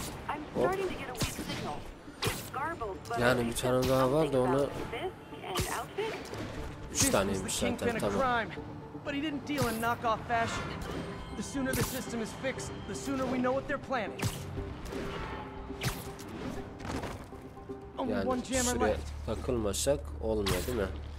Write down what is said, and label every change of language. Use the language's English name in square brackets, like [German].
[English] I'm starting to get a weak signal. [Turkish] Yani bir tane daha var da ona 3 taneymiş zaten tamam. [English] But he didn't deal in knockoff fashion. The sooner the system is fixed, the sooner we know what they're planning. [Turkish] Yani şuraya takılmasak olmuyor değil mi?